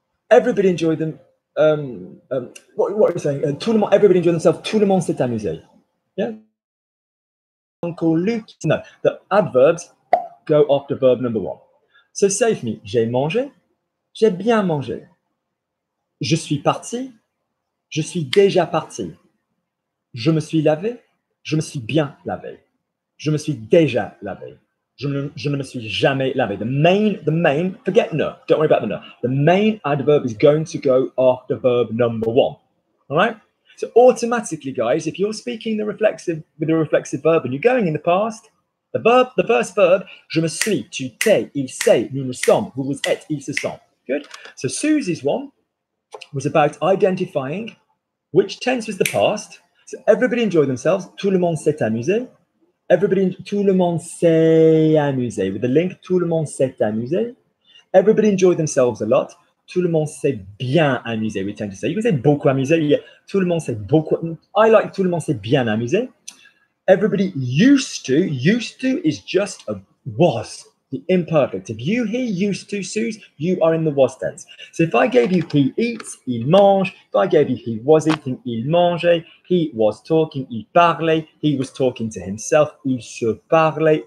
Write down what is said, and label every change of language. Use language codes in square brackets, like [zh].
[en] Everybody enjoyed them. What are you saying? [fr] Tout le monde, [en] everybody enjoyed themselves. [fr] Tout le monde s'est amusé. Yeah? Uncle Luke. [en] No, the adverbs go after verb number one. So say for me, [fr] j'ai mangé. J'ai bien mangé. Je suis parti. Je suis déjà parti. Je me suis lavé. Je me suis bien lavé. Je me suis déjà lavé. Je ne me suis jamais lavé. [en] The main, forget no. Don't worry about the no. The main adverb is going to go after verb number one. All right? So automatically, guys, if you're speaking the reflexive with a reflexive verb and you're going in the past, the first verb, [fr] je me suis, tu t'es, il s'est, nous nous sommes, vous vous êtes, ils se sont. [en] Good? So Susie's one was about identifying which tense was the past. So everybody enjoy themselves. [fr] Tout le monde s'est amusé. Everybody, tout le monde s'est amusé. [en] With the link, [fr] tout le monde s'est amusé. [en] Everybody enjoyed themselves a lot. [fr] Tout le monde s'est bien amusé, [en] we tend to say. You can say [fr] beaucoup amusé. Yeah. Tout le monde s'est beaucoup. [en] I like [fr] tout le monde s'est bien amusé. [en] Everybody used to is just a was, the imperfect. If you hear used to, Suze, you are in the was tense. So if I gave you he eats, [fr] il mange. [en] If I gave you he was eating, [fr] il mangeait. [en] He was talking, [fr] il parlait. [en] He was talking to himself, [fr] il se parlait.